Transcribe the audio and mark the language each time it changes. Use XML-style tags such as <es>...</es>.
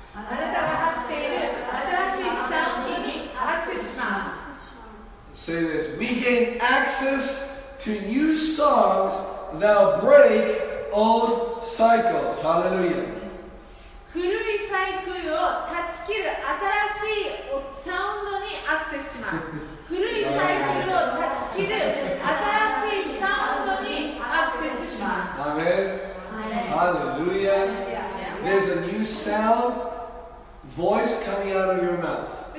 <ja>あなたが発している新しいサウンドにアクセスします。</ja> <en>Say this, we gain access to new songs that break old cycles. Hallelujah.</en> <ja>古いサイクルを断ち切る新しいサウンドにアクセスします。古いサイクルを断ち切る新しいサウンドにアクセスします。</ja> <en>Amen. Hallelujah. There's a new sound, voice coming out of your mouth.</en>